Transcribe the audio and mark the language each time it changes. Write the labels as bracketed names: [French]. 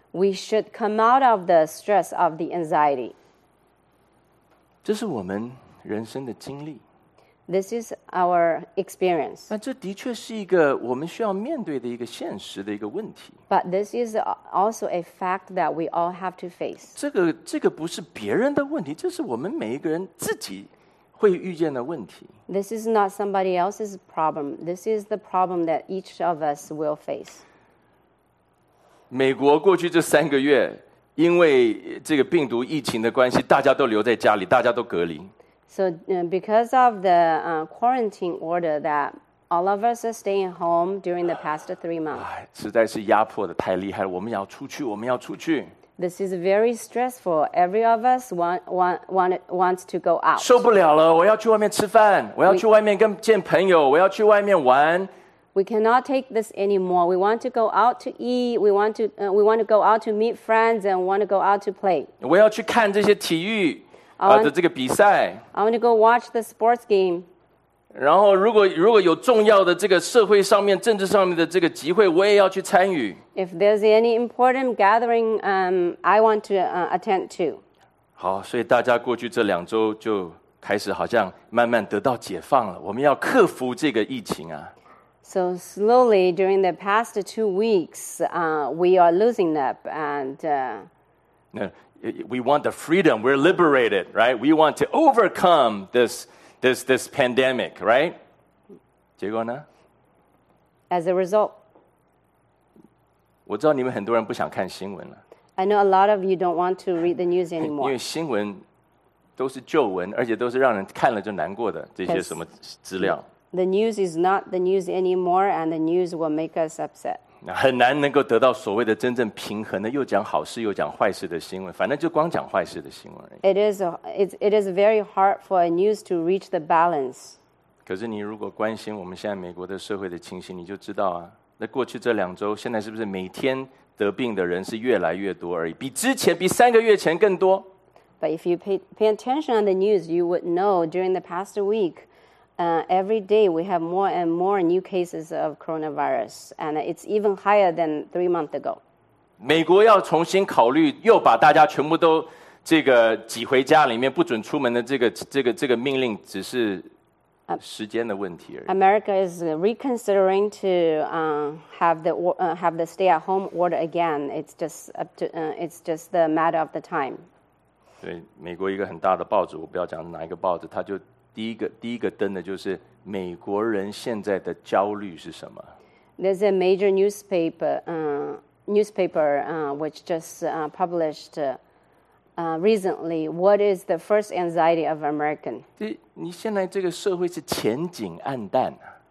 [English] We should come out of the stress of the anxiety. [Chinese] 这是我们人生的经历。 [English] This is our experience. [Chinese] 那这的确是一个我们需要面对的一个现实的一个问题。 [English] But this is also a fact that we all have to face. [Chinese] 这个不是别人的问题，这是我们每一个人自己会遇见的问题。 [English] This is not somebody else's problem. This is the problem that each of us will face. [Chinese] 美国过去这三个月，因为这个病毒疫情的关系，大家都留在家里，大家都隔离。 [English] So, because of the quarantine order that all of us are staying home during the past 3 months. [Chinese] 实在是压迫的太厉害了，我们要出去，我们要出去。 [English] This is very stressful. Every of us wants to go out. [Chinese] 受不了了，我要去外面吃饭，我要去外面见朋友，我要去外面玩。 [English] We cannot take this anymore. We want to go out to eat. We want to go out to meet friends and want to go out to play. [Chinese] 我要去看这些体育的这个比赛。 [English] I want to go watch the sports game. [Chinese] 然后如果有重要的这个社会上面、政治上面的这个集会，我也要去参与。 [English] If there's any important gathering, I want to attend too. [Chinese] 好，所以大家过去这两周就开始好像慢慢得到解放了。我们要克服这个疫情啊。 [English] So slowly, during the past 2 weeks, we are losing up. And, we want the freedom. We're liberated, right? We want to overcome this pandemic, right? [Chinese] 结果呢? [English] As a result. [Chinese] 我知道你们很多人不想看新闻了。 [English] I know a lot of you don't want to read the news anymore. [Chinese] 因为新闻都是旧闻，而且都是让人看了就难过的，这些什么资料。 [English] The news is not the news anymore, and the news will make us upset. [Chinese] 很难能够得到所谓的真正平衡的，又讲好事又讲坏事的新闻，反正就光讲坏事的新闻而已。 [English] It is very hard for a news to reach the balance. [Chinese] 可是你如果关心我们现在美国的社会的情形，你就知道啊，那过去这两周，现在是不是每天得病的人是越来越多而已，比之前，比三个月前更多。 [English] But if you pay attention on the news, you would know during the past week,every day we have more and more new cases of coronavirus, and it's even higher than 3 months ago. [Chinese] 美国要重新考虑又把大家全部都这个挤回家里面不准出门的这个命令，只是时间的问题而已。 [English] America is reconsidering to have the stay at home order again. It's just up to it's just the matter of the time. [Chinese] 对，美国一个很大的报纸，我不要讲哪一个报纸，他就。第一个登的就是美国人现在的焦虑是什么。 [English] There's a major newspaper, which just published recently. What is the first anxiety of American? [Chinese] 你现在这个社会是前景暗淡啊。